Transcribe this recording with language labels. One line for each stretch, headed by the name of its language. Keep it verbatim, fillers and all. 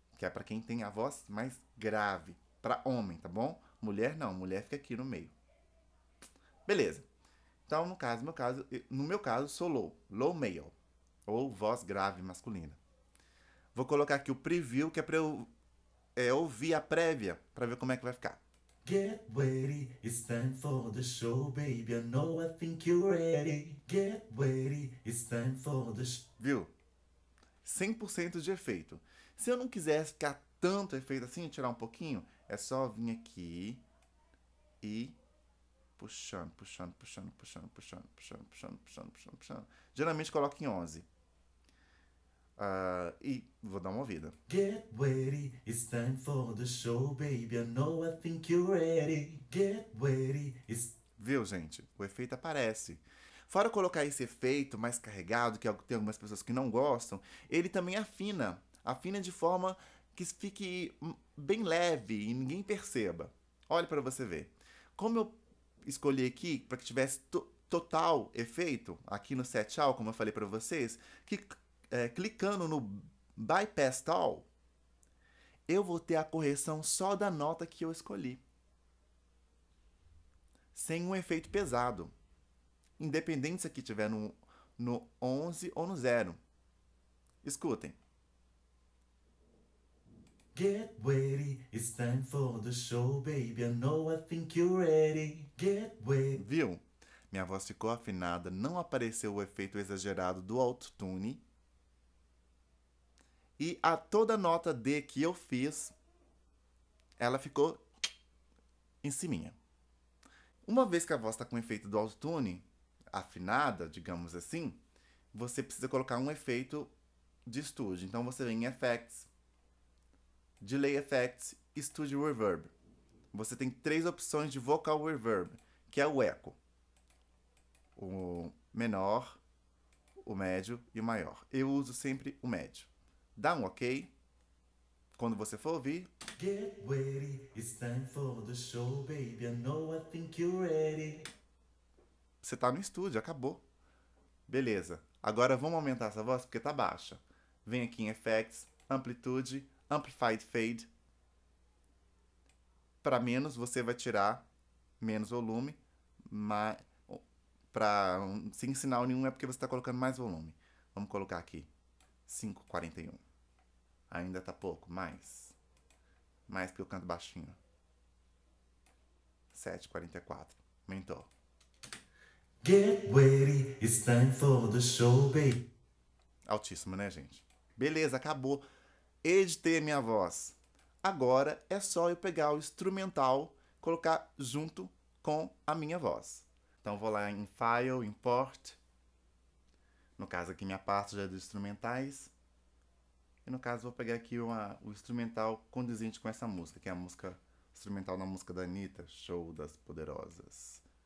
Portuguese: Que é para quem tem a voz mais grave, para homem, tá bom? Mulher não, mulher fica aqui no meio. Beleza. Então, no caso, meu caso, eu- no meu caso, sou low, low male, ou voz grave masculina. Vou colocar aqui o preview, que é para eu é, ouvir a prévia, para ver como é que vai ficar.
English: Get ready, it's time for the show, baby. I know I think you're ready. Get ready, it's time for the show.
Portuguese: Viu? cem por cento de efeito. Se eu não quisesse ficar tanto efeito assim, tirar um pouquinho, é só vir aqui e puxando, puxando, puxando, puxando, puxando, puxando, puxando, puxando, puxando, puxando. Geralmente coloco em onze. Ah, e vou dar uma ouvida.
English: Get ready, it's time for the show, baby. I know I think you're ready. Get ready, it's.
Portuguese: Viu, gente? O efeito aparece. Fora colocar esse efeito mais carregado, que é algo que tem algumas pessoas que não gostam, ele também afina. Afina de forma que fique hum, bem leve e ninguém perceba. Olha pra você ver. Como eu escolhi aqui para que tivesse to- total efeito, aqui no set all, como eu falei pra vocês, que é, clicando no bypass all, eu vou ter a correção só da nota que eu escolhi, sem um efeito pesado. Independente se aqui tiver no, no onze ou no zero. Escutem.
English: Get ready, it's time for the show, baby. I know I think you're ready. Get ready.
Portuguese: Viu? Minha voz ficou afinada, não apareceu o efeito exagerado do autotune. E a toda nota D que eu fiz, ela ficou em ciminha. Uma vez que a voz está com o efeito do autotune, afinada, digamos assim, você precisa colocar um efeito de estúdio. Então você vem em Effects, Delay Effects, Studio Reverb. Você tem três opções de vocal reverb, que é o eco, o menor, o médio e o maior. Eu uso sempre o médio. Dá um OK quando você for ouvir.
English: Get ready, it's time for the show, baby. I know I think you're ready.
Portuguese: Você tá no estúdio, acabou. Beleza. Agora vamos aumentar essa voz porque tá baixa. Vem aqui em Effects, Amplitude, Amplified Fade. Para menos você vai tirar menos volume, mas para sem sinal nenhum é porque você está colocando mais volume. Vamos colocar aqui quinhentos e quarenta e um. Ainda tá pouco, mais. Mais porque eu canto baixinho. setecentos e quarenta e quatro. Aumentou.
English: Get ready, it's time for the show, baby.
Portuguese: Altíssimo, né, gente? Beleza, acabou. Editei a minha voz. Agora é só eu pegar o instrumental, colocar junto com a minha voz. Então vou lá em File, Import. No caso aqui minha pasta já é dos instrumentais. E no caso vou pegar aqui uma- o instrumental condizente com essa música, que é a música instrumental da música da Anitta, Show das Poderosas.